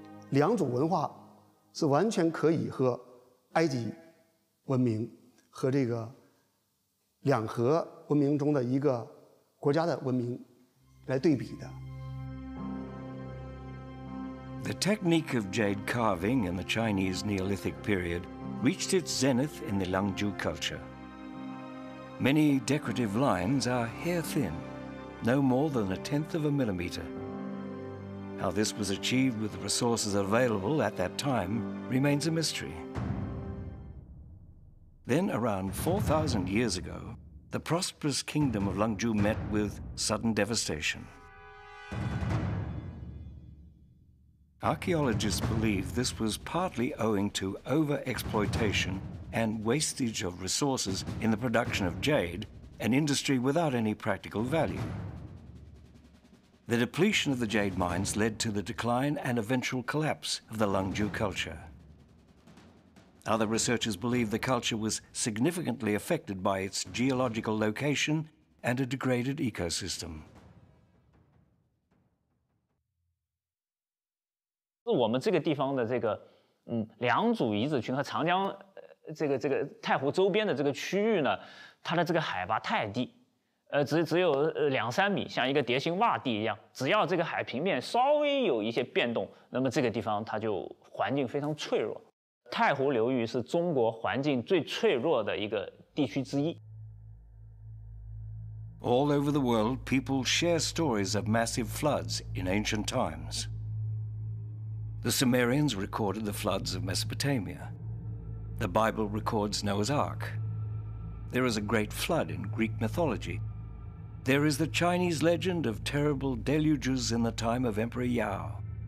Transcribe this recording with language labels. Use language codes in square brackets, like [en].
[zh] 两种文化是完全可以和埃及文明和这个两河文明中的一个国家的文明来对比的。 [en] The technique of jade carving in the Chinese Neolithic period reached its zenith in the Lungju culture. Many decorative lines are hair thin, no more than a tenth of a millimeter. How this was achieved with the resources available at that time remains a mystery. Then, around 4,000 years ago, the prosperous kingdom of Lungju met with sudden devastation. Archaeologists believe this was partly owing to over-exploitation and wastage of resources in the production of jade, an industry without any practical value. The depletion of the jade mines led to the decline and eventual collapse of the Lungju culture. Other researchers believe the culture was significantly affected by its geological location and a degraded ecosystem. [zh] 我们这个地方的这个良渚遗址群和长江这个太湖周边的这个区域呢，它的这个海拔太低，只有两三米，像一个蝶形洼地一样。只要这个海平面稍微有一些变动，那么这个地方它就环境非常脆弱。太湖流域是中国环境最脆弱的一个地区之一。 [en] All over the world, people share stories of massive floods in ancient times. The Sumerians recorded the floods of Mesopotamia. The Bible records Noah's Ark. There is a great flood in Greek mythology. There is the Chinese legend of terrible deluges in the time of Emperor Yao.